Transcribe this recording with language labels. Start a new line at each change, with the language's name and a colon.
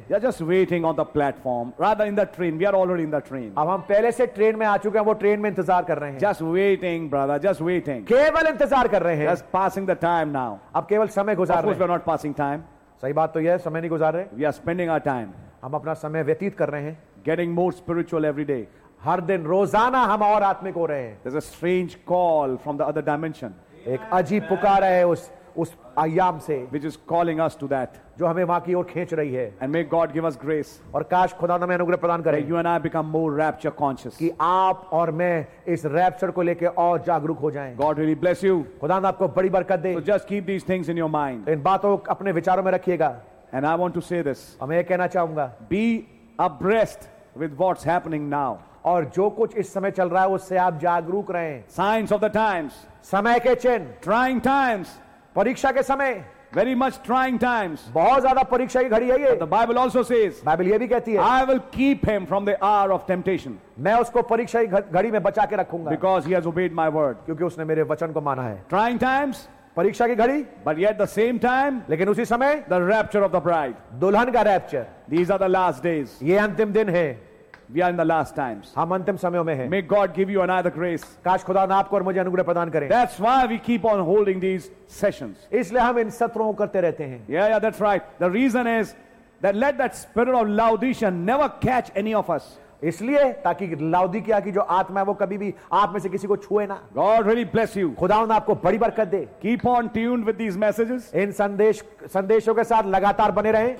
English: they are just waiting on the platform rather in the train we are already in the train
Hindi: अब हम पहले से train में आ चुके हैं वो ट्रेन में इंतजार कर रहे हैं
English: just waiting brother just waiting
Hindi: केवल इंतजार कर रहे हैं
English: just passing the time now
Hindi: अब केवल समय गुजार रहे हैं
English: we are not passing time
Hindi: सही बात तो यह है समय नहीं गुजार रहे
English: we are spending our time
Hindi: हम अपना समय व्यतीत कर रहे हैं
English: getting more spiritual every day
Hindi: हर दिन रोजाना हम और आत्मिक हो रहे हैं
English: There's a strange call from the other dimension.
Hindi: एक अजीब पुकार है उस आयाम से
English: which is calling us to that.
Hindi: जो हमें वहां की ओर खींच रही है
English: And may God give us grace.
Hindi: और काश खुदा हमें अनुग्रह प्रदान करे
English: You and I become more rapture conscious.
Hindi: कि आप और मैं इस रैप्चर को लेकर और जागरूक हो जाएं
English: God really bless you.
Hindi: खुदा आपको बड़ी बरकत दे
English: So just keep these things in your mind.
Hindi: इन बातों को अपने विचारों में रखिएगा
English: And I want to say this.
Hindi: मैं ये कहना चाहूंगा
English: Be abreast with what's happening now.
Hindi: और जो कुछ इस समय चल रहा है उससे आप जागरूक रहें
English: Signs of the times.
Hindi: समय के चिन्ह
English: Trying times.
Hindi: परीक्षा के समय
English: Very much trying times.
Hindi: बहुत ज्यादा परीक्षा की घड़ी है ये
English: The Bible also says.
Hindi: Bible ये भी कहती है
English: I will keep him from the hour of temptation.
Hindi: मैं उसको परीक्षा की घड़ी में बचा के रखूंगा
English: Because he has obeyed my word.
Hindi: क्योंकि उसने मेरे वचन को माना है
English: Trying times.
Hindi: परीक्षा की घड़ी
English: but yet the same time
Hindi: लेकिन उसी समय
English: the rapture of the bride
Hindi: दुल्हन का rapture
English: these are the last days
Hindi: ये अंतिम दिन है
English: We are in the last times.
Hindi: हम अंतिम समयों में हैं.
English: May God give you another grace.
Hindi: काश खुदा ने आपको और मुझे अनुग्रह प्रदान करें.
English: That's why we keep on holding these sessions.
Hindi: इसलिए हम इन सत्रों को करते रहते हैं.
English: Yeah, that's right. The reason is that let that spirit of Laodicea never catch any of us.
Hindi: इसलिए ताकि लौदीकिया की जो आत्मा है वो कभी भी आप में से किसी को छुए ना
English: God really bless you
Hindi: खुदावंद आपको बड़ी बरकत दे
English: keep on tuned with these messages
Hindi: इन संदेशों के साथ लगातार बने रहें